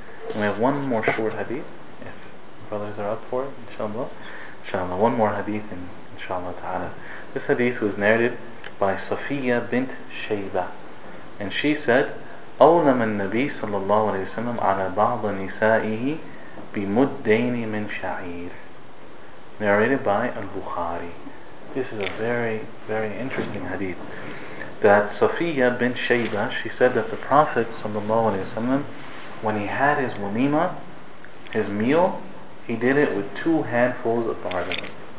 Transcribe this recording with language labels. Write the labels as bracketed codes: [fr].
[en] And we have one more short hadith, if brothers are up for it, inshallah. One more hadith, and inshallah ta'ala. This hadith was narrated by Safiya bint Shayba, and she said, [ar] أَوْلَمَ النَّبِي صَلَى اللَّهُ عَلَيْهِ وَسَلَّمْ عَلَى بَعْضَ نِسَائِهِ بِمُدَّيْنِ مِنْ شَعِيرِ. [en] Narrated by Al-Bukhari. This is a very, very interesting hadith. That Safiya bint Shayba, she said that the Prophet sallallahu alayhi wa sallam, when he had his walima, his meal, he did it with two handfuls of barley.